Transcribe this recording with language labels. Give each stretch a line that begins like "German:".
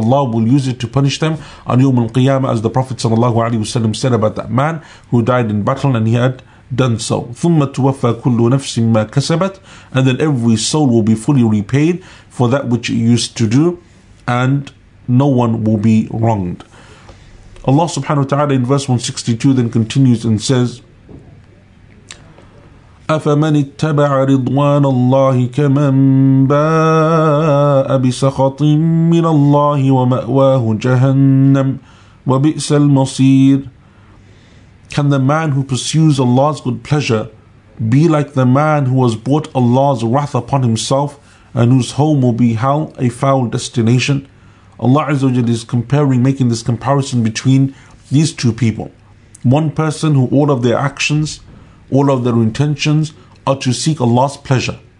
English: Allah will use it to punish them on Yawm al-Qiyamah, as the Prophet sallallahu alaihi wasallam said about that man who died in battle and he had done so.
Arabic: ثُمَّ تُوَفَّى كُلُّ نَفْسٍ مَا كَسَبَتْ,
English: and then every soul will be fully repaid for that which it used to do, and no one will be wronged. Allah subhanahu wa ta'ala in verse 162 then continues and says,
Arabic: أَفَمَنِ اتَّبَعَ رِضْوَانَ اللَّهِ كَمَنْ بَاءَ بِسَخَطٍ مِّنَ اللَّهِ وَمَأْوَاهُ جَهَنَّمْ وَبِئْسَ الْمَصِيرُ.
English: Can the man who pursues Allah's good pleasure be like the man who has brought Allah's wrath upon himself and whose home will be hell, a foul destination? Allah Azza wa Jalla is comparing, making this comparison between these two people. One person who all of their actions, all of their intentions are to seek Allah's pleasure.